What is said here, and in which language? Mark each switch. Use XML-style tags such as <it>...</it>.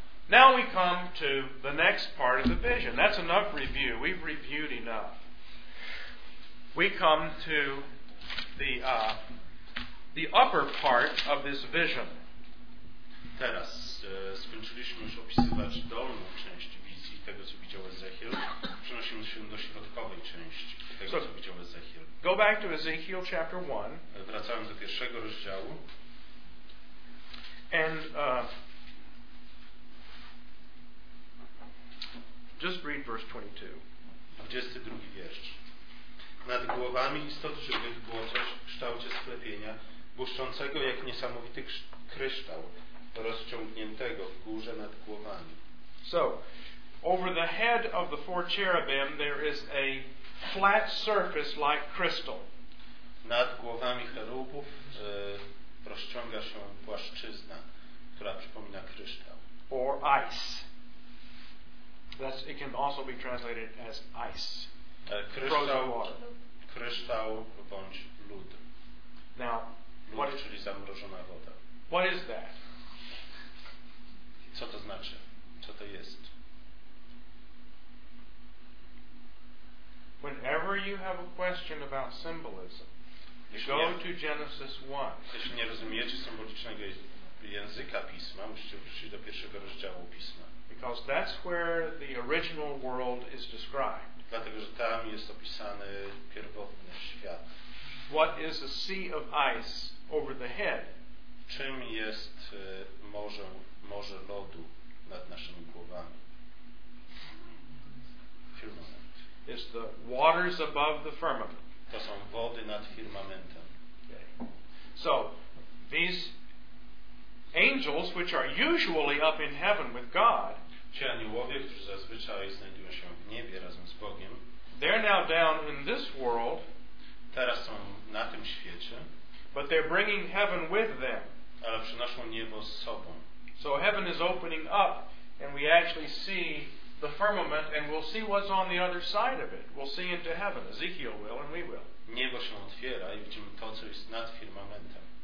<en>Now we come to the next part of the vision. That's enough review. We've reviewed enough. We come to the upper part of this vision.</en> <pl>Teraz skończyliśmy już opisywać dolną część wizji tego, co widział Ezechiel. Przenosimy się do środkowej części tego, co widział Ezechiel.</pl> <en>Go back to Ezechiel chapter 1.</en> <pl>Wracając do pierwszego rozdziału.</pl> <en>And just read verse 22.</en> <pl>22 wiersz. Nad głowami istot żywych było coś w kształcie sklepienia, błyszczącego jak niesamowity kryształ, rozciągniętego w górze nad głowami.</pl> <en>So, over the head of the four cherubim there is a flat surface like crystal.</en> <pl>Nad głowami cherubów rozciąga się płaszczyzna, która przypomina kryształ.</pl> <en>Or ice. That's, it can also be translated as ice.</en> <pl>Kryształ, kryształ bądź lód.</pl> <en>Now,</en> <pl>lód, czyli zamrożona woda.</pl> <en>What is that?</en> <pl>Co to znaczy? Co to jest?</pl> <en>Whenever you have a question about symbolism, to Genesis 1.</en> <pl>Jeśli nie rozumiecie symbolicznego języka pisma, musicie wrócić do pierwszego rozdziału pisma.</pl> <en>Because that's where the original world is described.</en> <pl>Dlatego, że tam jest opisany pierwotny świat.</pl> <en>What is a sea of ice over the head?</en> <pl>Czym jest morze? Morze lodu nad naszymi głowami.</pl> <en>Firmament. It's the waters above the firmament.</en> <pl>To są wody nad firmamentem.</pl> <en>Okay. So, these angels, which are usually up in heaven with God,</en> <pl>ci aniołowie, którzy zazwyczaj znajdują się w niebie razem z Bogiem,</pl> <en>they're now down in this world,</en> <pl>teraz są na tym świecie,</pl> <en>But they're bringing heaven with them.</en> <pl>Ale przynoszą niebo z sobą.</pl> <en>So heaven is opening up, and we actually see the firmament, and we'll see what's on the other side of it. We'll see into heaven. Ezekiel will, and we will.</en> <pl>Niebo się otwiera i widzimy to, co jest nad firmamentem.</pl>